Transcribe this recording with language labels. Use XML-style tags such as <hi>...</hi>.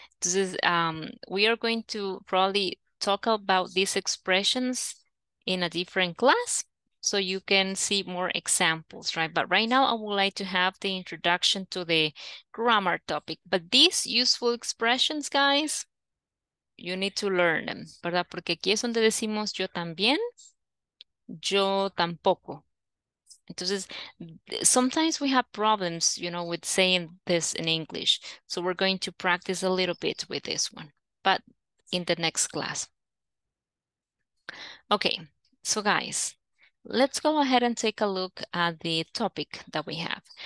<en>This is, we are going to probably talk about these expressions in a different class so you can see more examples, right? But right now I would like to have the introduction to the grammar topic. But these useful expressions, guys, you need to learn them, ¿verdad?</en> <es>Porque aquí es donde decimos yo también, yo tampoco.</es> <en>Entonces, sometimes we have problems, you know, with saying this in English. So we're going to practice a little bit with this one, but in the next class. Okay, so guys, let's go ahead and take a look at the topic that we have.</en>